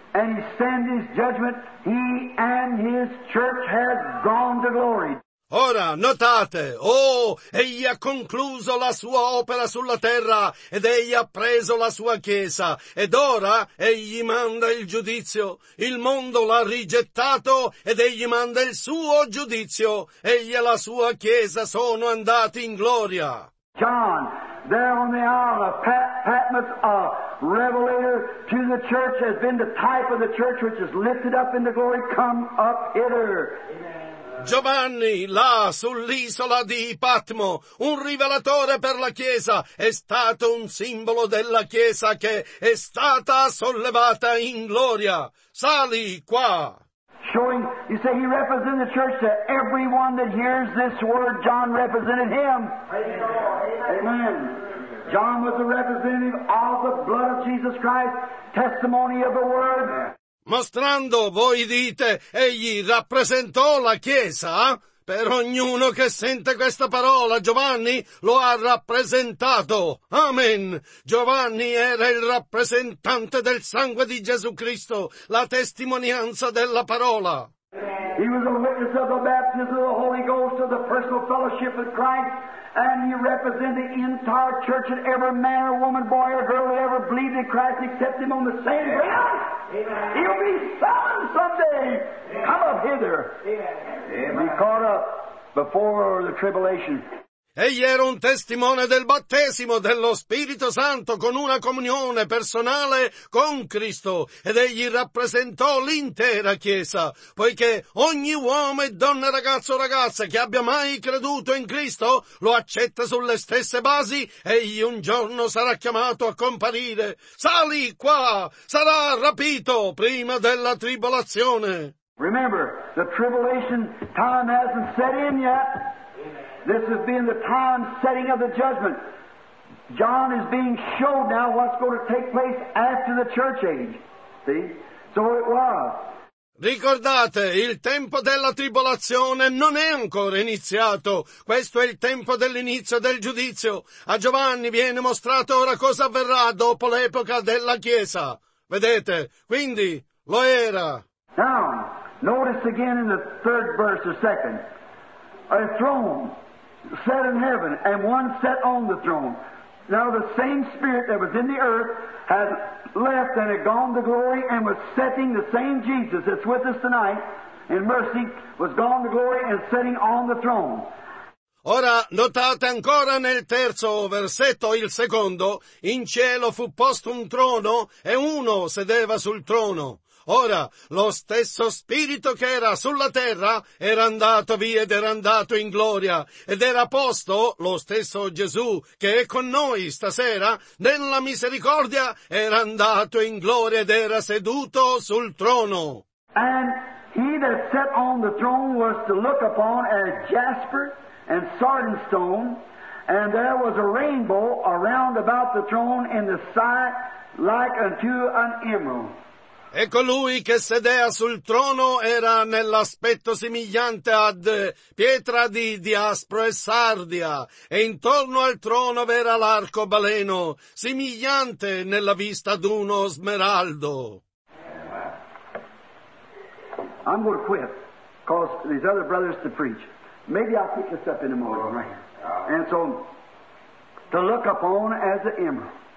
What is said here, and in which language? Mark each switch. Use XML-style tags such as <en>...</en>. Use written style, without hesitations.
<en>and send his judgment, he and his church have gone to glory.</en> <it>Ora, notate, oh, egli ha concluso la sua opera sulla terra, ed egli ha preso la sua chiesa, ed ora egli manda il giudizio. Il mondo l'ha rigettato, ed egli manda il suo giudizio. Egli e la sua chiesa sono andati in gloria.</it> <en>John, there on the isle of Patmos, a revelator to the church has been the type of the church which is lifted up in the glory, come up hither.</en> <it>Giovanni, là, sull'isola di Patmo, un rivelatore per la Chiesa, è stato un simbolo della Chiesa che è stata sollevata in gloria. Sali qua!</it> <en>Showing, you say he represented the church to everyone that hears this word, John represented him. Amen. John was a representative of the blood of Jesus Christ, testimony of the word.</en> <it>Mostrando, voi dite, egli rappresentò la Chiesa? Per ognuno che sente questa parola, Giovanni lo ha rappresentato. Amen. Giovanni era il rappresentante del sangue di Gesù Cristo, la testimonianza della parola.</it> <en>He was a witness of the baptism of the Holy Ghost, of the personal fellowship of Christ, and he represented the entire church and every man or woman, boy or girl that ever believed in Christ except him on the same ground. Amen. He'll be summoned someday. Amen. Come up hither. Amen. Be caught up before the tribulation.</en> <it>Egli era un testimone del battesimo dello Spirito Santo con una comunione personale con Cristo ed egli rappresentò l'intera Chiesa, poiché ogni uomo e donna, ragazzo o ragazza che abbia mai creduto in Cristo lo accetta sulle stesse basi, egli un giorno sarà chiamato a comparire. Sali qua, sarà rapito prima della tribolazione.</it> <en>Remember, the tribulation time hasn't set in yet. This has been the time setting of the judgment. John is being showed now what's going to take place after the church age. See? So it was.</en> <it>Ricordate, il tempo della tribolazione non è ancora iniziato. Questo è il tempo dell'inizio del giudizio. A Giovanni viene mostrato ora cosa avverrà dopo l'epoca della Chiesa. Vedete? Quindi, lo era.</it> <en>Now, notice again in the third verse, the second. A throne set in heaven, and one set on the throne. Now the same spirit that was in the earth had left and had gone to glory and was setting the same Jesus that's with us tonight in mercy was gone to glory and setting on the throne.</en> <it>Ora, notate ancora nel terzo versetto, il secondo, in cielo fu posto un trono e uno sedeva sul trono. Ora, lo stesso Spirito che era sulla terra era andato via ed era andato in gloria, ed era posto lo stesso Gesù che è con noi stasera, nella misericordia, era andato in gloria ed era seduto sul trono.</it> <en>And he that sat on the throne was to look upon as jasper and sardine stone, and there was a rainbow around about the throne in the sight like unto an emerald.</en> <it>E colui che sedea sul trono era nell'aspetto simigliante ad pietra di diaspro e sardia, e intorno al trono v'era l'arcobaleno, simigliante nella vista ad uno smeraldo.</it> <en>I'm going to quit, cause these other brothers to preach. Maybe I'll pick this up in the morning, right? And so, to look upon as an emerald.</en>